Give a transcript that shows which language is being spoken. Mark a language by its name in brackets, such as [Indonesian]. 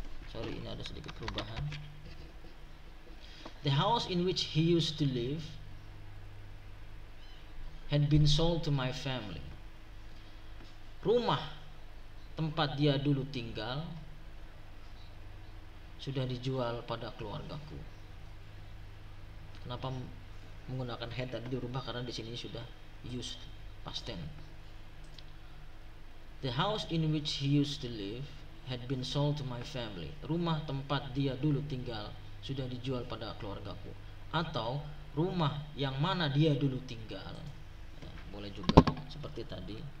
[Indonesian] Sorry, ini ada sedikit perubahan. [English] The house in which he used to live had been sold to my family. [Indonesian] Rumah tempat dia dulu tinggal sudah dijual pada keluargaku. Kenapa menggunakan had tadi dirubah? Karena di sini sudah used past tense. [English] The house in which he used to live had been sold to my family. [Indonesian] Rumah tempat dia dulu tinggal sudah dijual pada keluargaku. Atau rumah yang mana dia dulu tinggal, ya, boleh juga seperti tadi.